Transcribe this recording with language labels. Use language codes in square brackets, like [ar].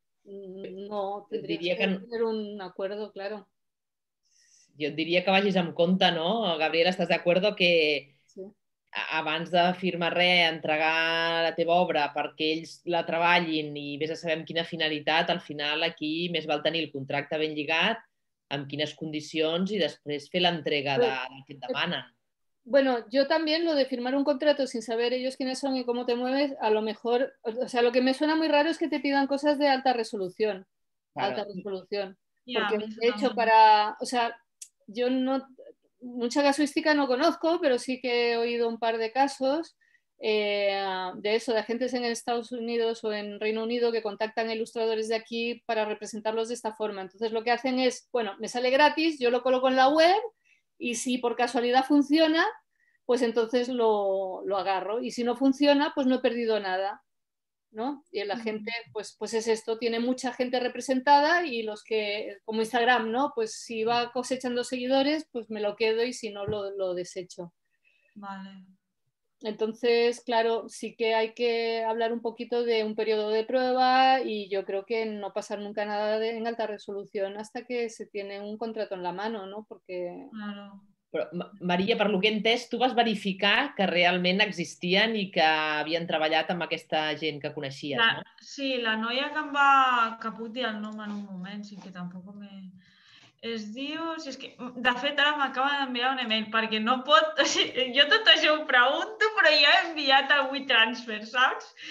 [ca] No, tindria que tenir [es] un acuerdo, [ca] claro. Jo et diria que vagis amb compte, no? Gabriela, estàs d'acord que sí. Abans de firmar res, entregar la teva obra perquè ells la treballin i vés a saber amb quina finalitat, al final aquí més val tenir el contracte ben lligat, amb quines condicions i després fer l'entrega del que et demanen. [es] Bueno, yo también lo de firmar un contrato sin saber ellos quiénes son y cómo te mueves, a lo mejor, o sea, lo que me suena muy raro es que te pidan cosas de alta resolución. Claro. Alta resolución. Yeah, porque de hecho para, o sea, yo no, mucha casuística no conozco, pero sí que he oído un par de casos de eso, de agentes en Estados Unidos o en Reino Unido que contactan ilustradores de aquí para representarlos de esta forma. Entonces lo que hacen es, bueno, me sale gratis, yo lo coloco en la web. Y si por casualidad funciona, pues entonces lo agarro. Y si no funciona, pues no he perdido nada, ¿no? Y la gente, pues es esto, tiene mucha gente representada y los que, como Instagram, ¿no? Pues si va cosechando seguidores, pues me lo quedo y si no, lo desecho. Vale. Entonces, claro, sí que hay que hablar un poquito de un periodo de prueba y yo creo que no pasar nunca nada en alta resolución hasta que se tiene un contrato en la mano, ¿no? Porque... Claro. [ca] Però, Maria, per el que he entès, tu vas verificar que realment existien i que havien treballat amb aquesta gent que coneixies, la, no? Sí, la noia que em va... que puc dir el nom en un moment, sí que tampoc me... Es diu, si és que, de fet, ara m'acaba d'enviar un email, perquè no pot, o sigui, jo tot això ho pregunto, però ja he enviat el WeTransfer, saps?